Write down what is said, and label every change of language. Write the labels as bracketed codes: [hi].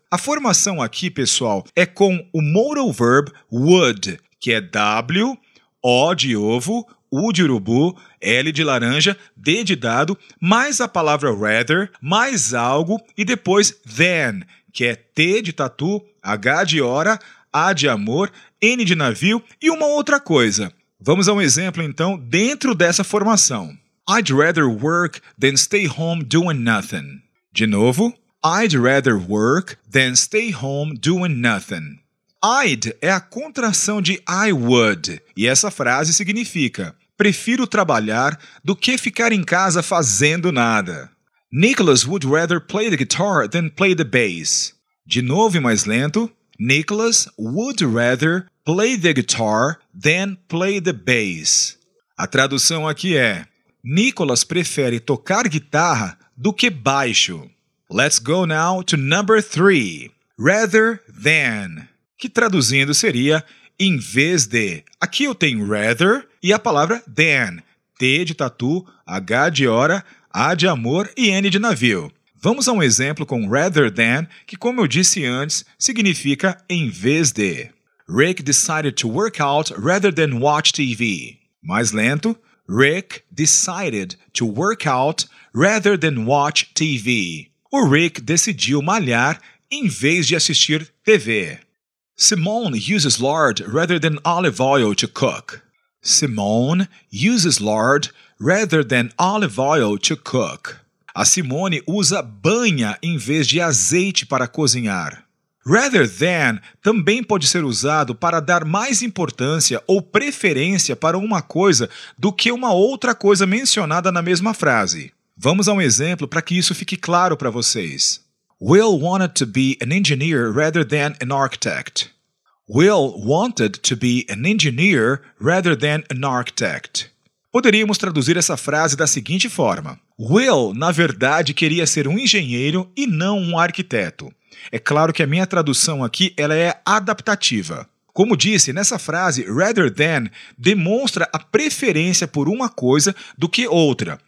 [pt] A formação aqui, pessoal, é com o modal verb would, que é W, O de ovo, U de urubu, L de laranja, D de dado, mais a palavra rather, mais algo e depois than, que é T de tatu, H de hora, A de amor, N de navio e uma outra coisa. Vamos a um exemplo, então, dentro dessa formação. [en] I'd rather work than stay home doing nothing. [pt] De novo, [en] I'd rather work than stay home doing nothing. [pt] I'd é a contração de I would, e essa frase significa: prefiro trabalhar do que ficar em casa fazendo nada. [en] Nicholas would rather play the guitar than play the bass. [pt] De novo e mais lento, [en] Nicholas would rather play the guitar than play the bass. [pt] A tradução aqui é: Nicholas prefere tocar guitarra do que baixo. [en] Let's go now to number three. Rather than. [pt] Que traduzindo seria em vez de. Aqui eu tenho rather e a palavra than. T de tatu, H de hora, A de amor e N de navio. Vamos a um exemplo com rather than, que, como eu disse antes, significa em vez de. [en] Rick decided to work out rather than watch TV. [pt] Mais lento. [en] Rick decided to work out rather than watch TV. [pt] O Rick decidiu malhar em vez de assistir TV. [en] Simone uses lard rather than olive oil to cook. Simone uses lard rather than olive oil to cook. [pt] A Simone usa banha em vez de azeite para cozinhar. Rather than também pode ser usado para dar mais importância ou preferência para uma coisa do que uma outra coisa mencionada na mesma frase. Vamos a um exemplo para que isso fique claro para vocês. [en] Will wanted to be an engineer rather than an architect. Will wanted to be an engineer rather than an architect. [pt] Poderíamos traduzir essa frase da seguinte forma. Will, na verdade, queria ser um engenheiro e não um arquiteto. É claro que a minha tradução aqui ela é adaptativa. Como disse, nessa frase, rather than demonstra a preferência por uma coisa do que outra.